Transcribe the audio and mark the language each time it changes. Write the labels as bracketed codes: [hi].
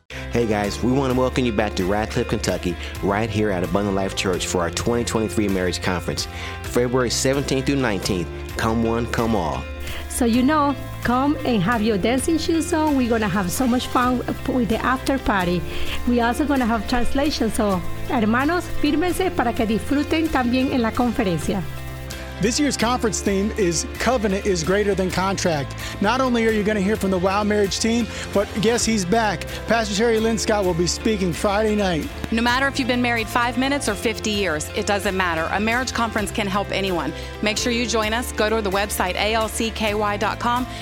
[en] Hey guys, we want to welcome you back to Radcliffe, Kentucky, right here at Abundant Life Church for our 2023 Marriage Conference, February 17th through 19th, come one, come all. So you know, come and have your dancing shoes on. We're going to have so much fun with the after party. We also going to have translation, so [es] hermanos, fírmense para que disfruten también en la conferencia. [en] This year's conference theme is Covenant is Greater Than Contract. Not only are you going to hear from the Wow Marriage team, but guess he's back. Pastor Terry Lynn Scott will be speaking Friday night. No matter if you've been married 5 minutes or 50 years, it doesn't matter. A marriage conference can help anyone. Make sure you join us. Go to the website alcky.com.